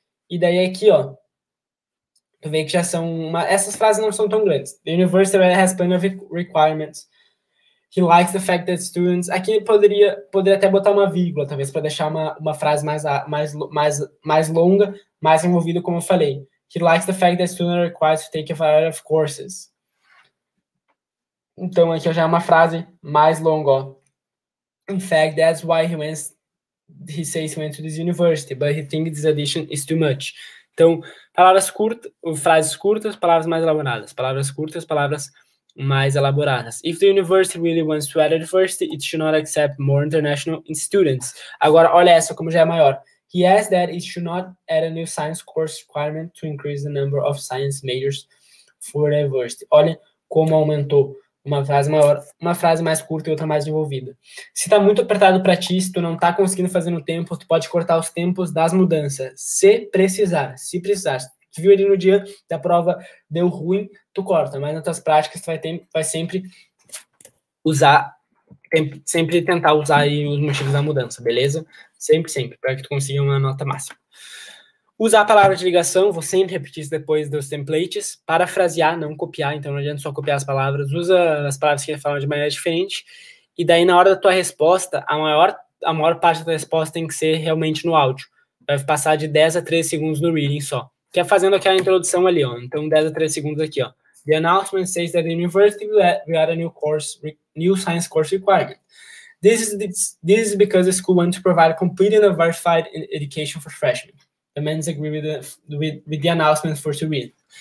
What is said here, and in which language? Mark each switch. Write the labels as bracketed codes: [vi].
[pt] E daí aqui, ó. Tu vê que já são. Essas frases não são tão grandes. [en] The university has plenty of requirements. He likes the fact that students. [pt] Aqui poderia até botar uma vírgula, talvez, para deixar uma frase mais longa, mais envolvida, como eu falei. [en] He likes the fact that students are required to take a variety of courses. [pt] Então aqui já é uma frase mais longa, ó. [en] In fact, that's why he says he went to this university, but he thinks this addition is too much. [pt] Então, palavras curtas, frases curtas, palavras mais elaboradas. Palavras curtas, palavras mais elaboradas. [en] If the university really wants to add a diversity, it should not accept more international students. [pt] Agora, olha essa como já é maior. [en] He asked that it should not add a new science course requirement to increase the number of science majors for the university. [pt] Olha como aumentou. Uma frase maior, uma frase mais curta e outra mais envolvida. Se tá muito apertado para ti, se tu não tá conseguindo fazer no tempo, tu pode cortar os tempos das mudanças. Se precisar. Tu viu ali no dia da prova deu ruim, tu corta. Mas nas tuas práticas, tu vai sempre usar, sempre tentar usar aí os motivos da mudança, beleza? Sempre, para que tu consiga uma nota máxima. Usar a palavra de ligação, vou sempre repetir isso depois dos templates, parafrasear, não copiar, então não adianta só copiar as palavras, usa as palavras que falam de maneira diferente, e daí na hora da tua resposta, a maior parte da tua resposta tem que ser realmente no áudio, vai passar de 10 a 13 segundos no reading só, que é fazendo aquela introdução ali, ó. Então 10 a 13 segundos aqui, ó. [en] The announcement says that the university will add a new science course required. This is because the school wants to provide a complete and a verified education for freshmen. The men agree with the announcement for to read.